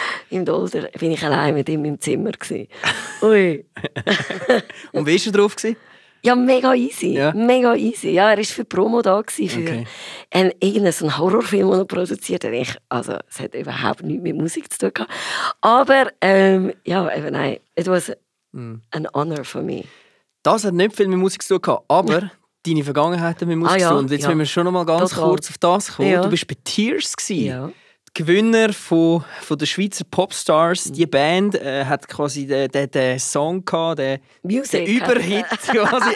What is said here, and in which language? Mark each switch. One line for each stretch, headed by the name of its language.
German: Im Dolder war ich allein mit ihm im Zimmer. Ui. Und wie war er drauf? Ja, mega easy. Ja. Mega easy. Ja, er war für Promo da. Für irgendeinen Horrorfilm, den er produziert hat. Also, es hat überhaupt nichts mit Musik zu tun gehabt. Aber
English: it was an honor for me.
German: Das hat nicht viel mit Musik zu tun gehabt, aber deine Vergangenheit mit Musik zu tun. Und jetzt müssen wir schon noch mal ganz kurz auf das kommen. Ja. Du warst bei Tears. Gewinner von der Schweizer Popstars. Die Band hat quasi den Song gehabt, den Überhit quasi.